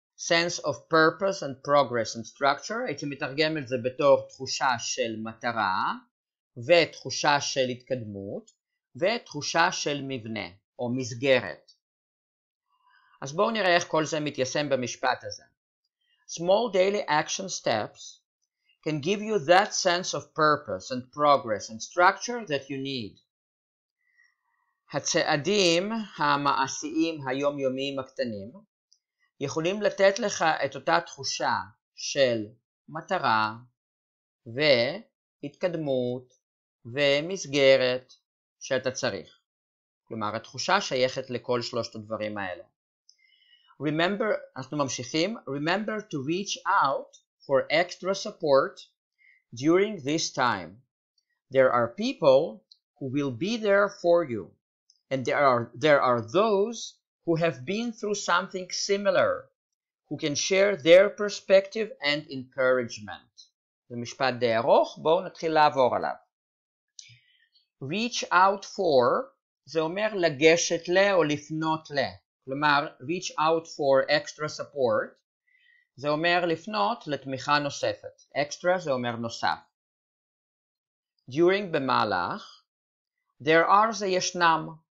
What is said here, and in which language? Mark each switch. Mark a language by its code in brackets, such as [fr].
[en] sense of purpose and progress and structure, [he] הייתי מתרגם את זה בתור תחושה של מטרה, ותחושה של התקדמות, ותחושה של מבנה או מסגרת. אז בואו נראה איך כל זה מתיישם במשפט הזה. [en] Small daily action steps can give you that sense of purpose and progress and structure that you need. [he] הצעדים המעשיים היומיומיים הקטנים יכולים לתת לך את אותה תחושה של מטרה והתקדמות ומסגרת שאתה צריך. כלומר, התחושה שייכת לכל שלושת הדברים האלה. [en] Remember, [he] אנחנו ממשיכים, [en] remember to reach out for extra support during this time. There are people who will be there for you. And there are those who have been through something similar, who can share their perspective and encouragement. [he] זה משפט די ארוך, בואו נתחיל לעבור עליו. [en] Reach out for, [he] זה אומר לגשת ל או לפנות ל. כלומר, [en] reach out for extra support, [he] זה אומר לפנות לתמיכה נוספת. Extra זה אומר נוסף. During במהלך, [en] there are [he] זה ישנם.